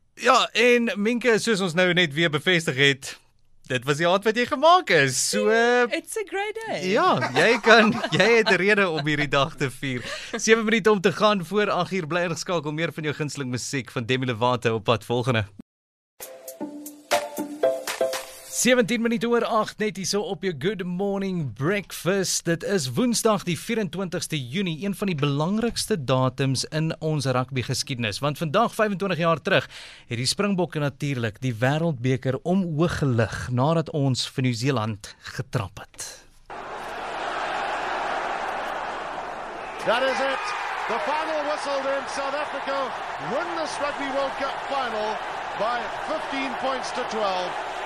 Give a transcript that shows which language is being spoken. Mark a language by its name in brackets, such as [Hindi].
[Afrikaans] Ja, en Minke, soos ons nou net weer bevestig het, dit was die antwoord wat jy gemaak is. So, [English] it's a great day. [Afrikaans] Ja, jy het 'n rede om hierdie dag te vier. 7 minute om te gaan voor 8:00, bly ingeskakel, meer van jou gunsteling musiek van Demi Lovato op pad volgende. 17 minute oor 8, net hier so op jou Good Morning Breakfast. Dit is Woensdag die 24ste Junie, een van die belangrikste datums in ons rugby geskiedenis. Want vandag, 25 jaar terug, het die Springbokke natuurlik die Wêreldbeker omhoog gelig nadat ons vir Nieu-Seeland getrap het. [English] That is it. The final whistle in South Africa won the Rugby World Cup final by 15 points to 12.